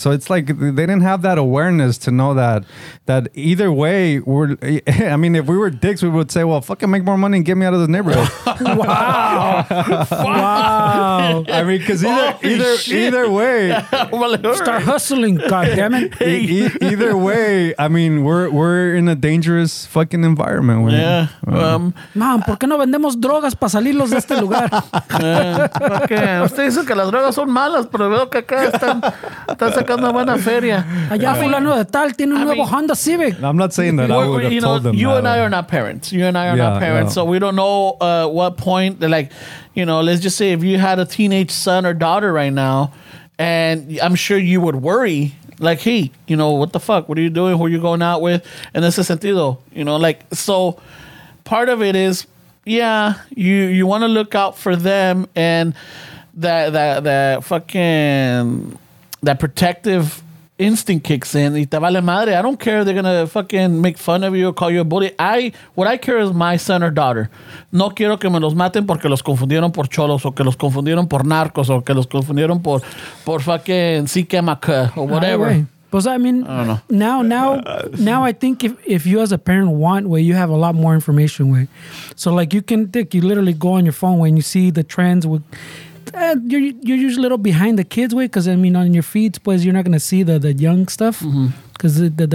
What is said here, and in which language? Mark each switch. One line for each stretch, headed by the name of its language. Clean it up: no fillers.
English: So it's like they didn't have that awareness to know that either way, we're. I mean, if we were dicks, we would say, well, fucking make more money and get me out of the neighborhood. Wow. I mean, because either way. Start hustling, goddammit. Either way, I mean, we're in a dangerous fucking environment. Yeah.
Spanish: Mom, ¿por qué no vendemos drogas para salirlos de este lugar? Okay. Usted dice que las drogas son malas, pero veo que acá están sacando buena feria. Allá fulano de tal tiene un nuevo Honda Civic.
English: I'm not saying that. You and I are not parents. So we don't know what point, like, you know, let's just say if you had a teenage son or daughter right now, and I'm sure you would worry. Like, hey, you know, what the fuck? What are you doing? Who are you going out with? And
Spanish: ese sentido,
English: you know, like, so... Part of it is, yeah, you want to look out for them and that fucking protective instinct kicks in.
Spanish: Y te vale madre.
English: I don't care if they're going to fucking make fun of you or call you a bully. What I care is my son or daughter.
Spanish: No quiero que me los maten porque los confundieron por cholos o que los confundieron por narcos o que los confundieron por fucking siquemaca
English: or whatever. Because I mean, I don't know. Now I think if you as a parent want, where you have a lot more information, way, so like you can think, you literally go on your phone when you see the trends with, you're usually a little behind the kids way, because I mean on your feeds, pues, you're not gonna see the young stuff, because mm-hmm.